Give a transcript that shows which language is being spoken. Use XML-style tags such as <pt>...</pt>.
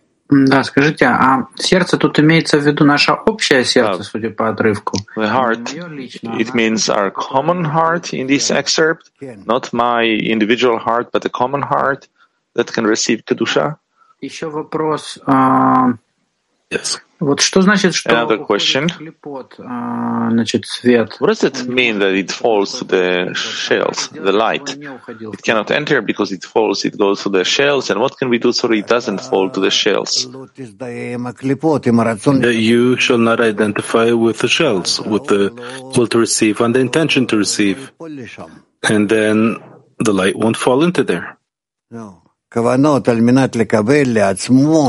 <ru>Да, скажите, а сердце тут имеется в виду наше общее сердце, судя по отрывку?</ru> <en>The heart, it means our common heart in this excerpt, not my individual heart, but a common heart that can receive kedusha.</en> <ru>Еще вопрос.</ru> <en>Yes.</en> <ru>Вот что значит, что</ru> <en>Another question.</en> <ru>Клипот, значит, свет?</ru> <en>What does it mean that it falls to the shells, the light? It cannot enter because it falls, it goes to the shells. And what can we do so it doesn't fall to the shells? You shall not identify with the shells, with the will to receive and the intention to receive. And then the light won't fall into there. No.</en> <he>כוונות על מנת לקבל לעצמו.</he>